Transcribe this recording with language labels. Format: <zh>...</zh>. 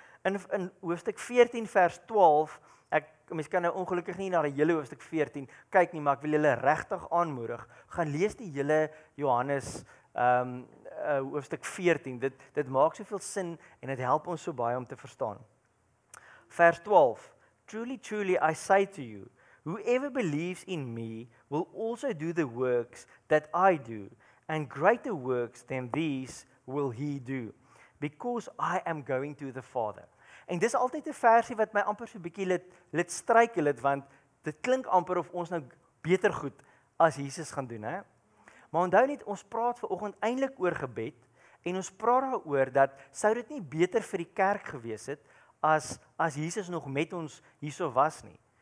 <af>In hoofstuk 14 vers 12, mens kan nou ongelukkig nie na die hele hoofstuk 14 kyk nie, maar ek wil julle regtig aanmoedig, gaan lees die hele Johannes hoofstuk 14, dit maak soveel sin en dit help ons so baie om te verstaan.</af> <en>Vers 12, "Truly, truly, I say to you, whoever believes in me will also do the works that I do, and greater works than these will he do, because I am going to the Father."</en> <af>En dis altyd 'n versie wat my amper so 'n bietjie lit struikel het, want dit klink amper of ons nou beter goed as Jesus gaan doen, hè? Maar onthou net, ons praat vanoggend eintlik oor gebed, en ons praat daaroor dat sou dit nie beter vir die kerk gewees het as Jesus nog met ons hierso was nie.</af>